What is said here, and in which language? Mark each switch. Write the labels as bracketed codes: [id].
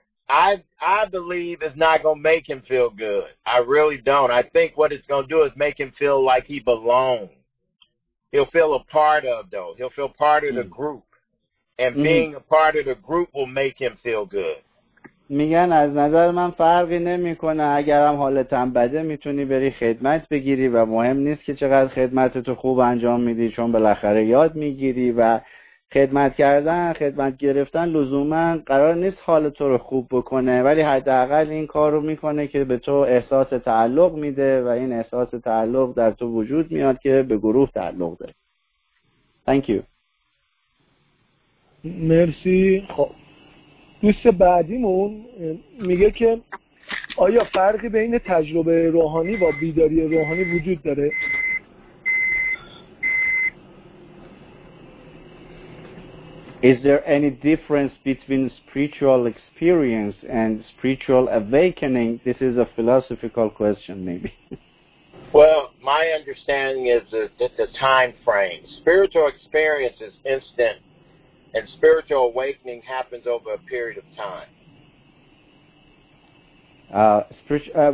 [en] I believe it's not going to make him feel good. I really don't. I think what it's going to do is make him feel like he belongs. He'll feel part of the group. And being a part of the group will make him feel good. [fa] میگن از نظر من فرقی نمیکنه، اگرم حالت هم بده میتونی بری خدمت بگیری و مهم نیست که چقدر خدمتتو خوب انجام میدی، چون بالاخره یاد میگیری و خدمت گرفتن لزوما قرار نیست حالتو رو خوب بکنه، ولی حداقل این کار رو میکنه که به تو احساس تعلق میده و این احساس تعلق در تو وجود میاد که به گروه تعلق داره. [en] Thank you. [fa] مرسی. خب دوست بعدیمون میگه که آیا فرقی بین تجربه روحانی و بیداری روحانی وجود داره؟ [en] Is there any difference between spiritual experience and spiritual awakening? This is a philosophical question, maybe. Well, my understanding is that the time frame. Spiritual experience is instant. And spiritual awakening happens over a period of time.